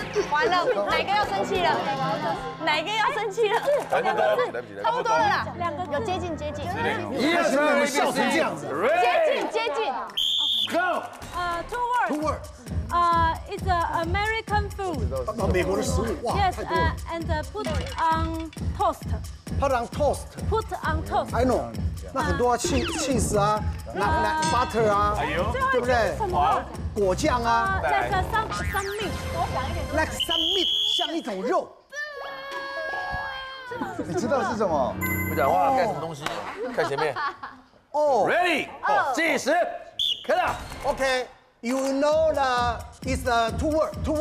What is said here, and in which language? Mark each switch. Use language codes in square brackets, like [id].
[zh] 完了，奶哥要生气了，奶哥要生气了，两个字，差不多了啦，两个有接近，一二三，你们笑成这样子，接近 [en] ，Go， two words， it's an American food， [zh] 美国的食物，哇 [en] ，Yes， and put on toast， put on toast， put on toast， I know， [zh] 那很多啊 ，cheese 啊，奶 butter 啊，对不对？果酱啊 [en] ，like some meat， [zh] 多讲一点 [en] ，like some meat， [zh] 像一种肉。你知道是什么？不讲话，干什么东西？看前面。 [en] Ready， [zh] 计时，开了。 [en] OK，you know the it's a two word，